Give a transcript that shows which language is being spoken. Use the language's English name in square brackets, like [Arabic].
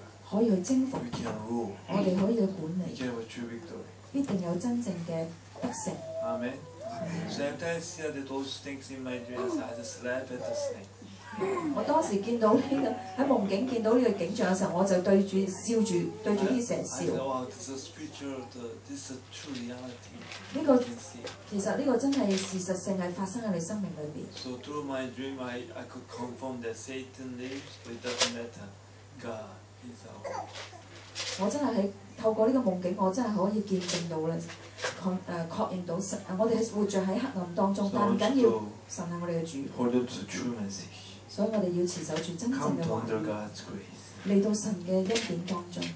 [Chinese] 可以去征服，我們可以去管理，必定有真正的得勝。阿門。 [English] Sometimes I see those things in my dreams, I just slap at the snake. [Chinese] 我當時見到這個，在夢境見到這個景象的時候，我就對著笑著，對著蛇笑。 [English] I know this is a spiritual, this is a true reality. [Chinese] 這個、其實這個真的事實性是發生在你生命裡面。 [English] So through my dream I could confirm that Satan lives, but it doesn't matter, God is our God. [Chinese] 我真的透過這個夢境，我真的可以見證到確認到我們活著在黑暗當中，但不要緊，神是我們的主，所以我們要持守著真正的話語。 [English] Come to under God's grace. [Chinese] 来到神的恩典当中，